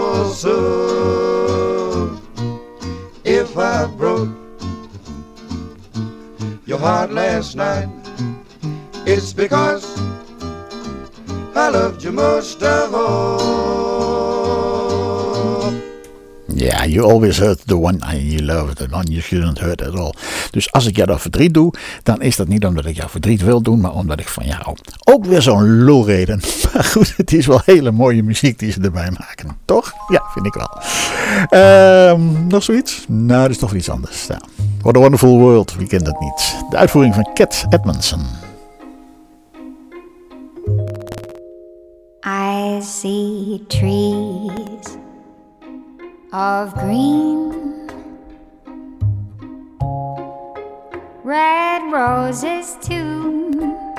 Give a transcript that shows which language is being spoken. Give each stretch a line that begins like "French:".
English: So if I broke your heart last night, it's because I loved you most of all. Ja, you always hurt the one you love, the one you shouldn't hurt at all.
Dutch: Dus als ik jou dat verdriet doe, dan is dat niet omdat ik jou verdriet wil doen, maar omdat ik van jou ook weer zo'n lulreden. Maar goed, het is wel hele mooie muziek die ze erbij maken, toch? Ja, vind ik wel. Nog zoiets? Nou, dat is toch iets anders. Ja. What a Wonderful World, wie kent dat niet? De uitvoering van Cat Edmondson.
English: I see trees of green, red roses too.